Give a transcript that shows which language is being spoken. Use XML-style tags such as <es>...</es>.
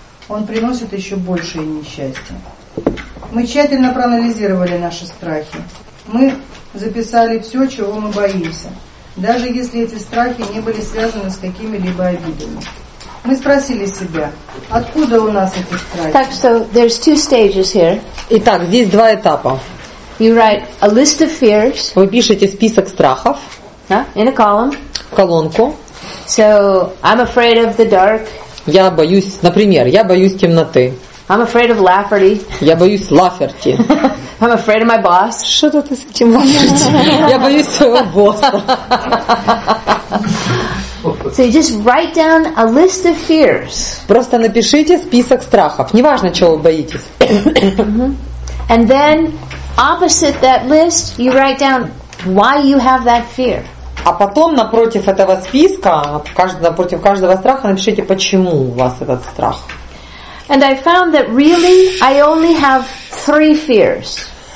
<ru>Он приносит еще большее несчастье. Мы тщательно проанализировали наши страхи. Мы записали все, чего мы боимся, даже если эти страхи не были связаны с какими-либо обидами. Мы спросили себя, откуда у нас эти страхи?</ru> <en>Так, so there's two stages here.</en> <ru>Итак, здесь два этапа.</ru> <en>You write a list of fears.</en> <ru>Вы пишете список страхов.</ru> <en>In a column.</en> <ru>В колонку.</ru> <en>So I'm afraid of the dark.</en> <ru>Я боюсь, например, я боюсь темноты.</ru> <en>I'm afraid of Lafferty.</en> <ru>Я боюсь Лафферти.</ru> <en>I'm afraid of my boss.</en> <ru>Что ты с этим Лафферти? Я боюсь своего босса.</ru> <en>So you just write down a list of fears.</en> <ru>Просто напишите список страхов. Неважно, чего вы боитесь.</ru> <en>And then opposite that list, you write down why you have that fear.</en> <ru>А потом напротив этого списка, напротив каждого страха, напишите, почему у вас этот страх.</ru> <en>And I found that really I only have three fears.</en>